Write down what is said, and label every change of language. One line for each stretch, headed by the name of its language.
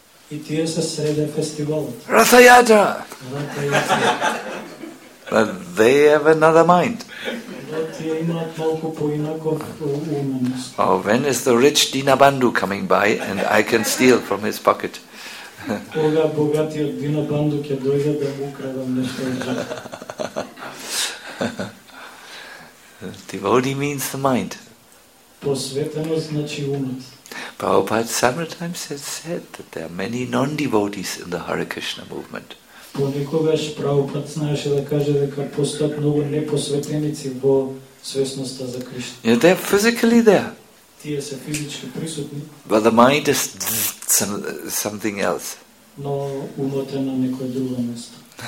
Macedonian: И тие се среде фестивал. Ратхајатра!
English: But they have another mind. Oh, when is the rich Dinabandhu coming by and I can steal from his pocket?
Macedonian: Кога богатиот Дина Банду ќе дојде да му украдам нешто од джоба.
English: Devotee means the mind.
Macedonian: Посветеност значи умот.
English: Prabhupada sometimes has said that there are many non-devotees in the Hare Krishna movement.
Macedonian: Понекогаш Prabhupada знаеше да каже дека постојат многу непосветеници во свесноста за Кришна.
English: Yeah, they are physically there.
Macedonian: Тие се физички присутни.
English: But the mind is something else.
Macedonian: Но умот е на некој друго место.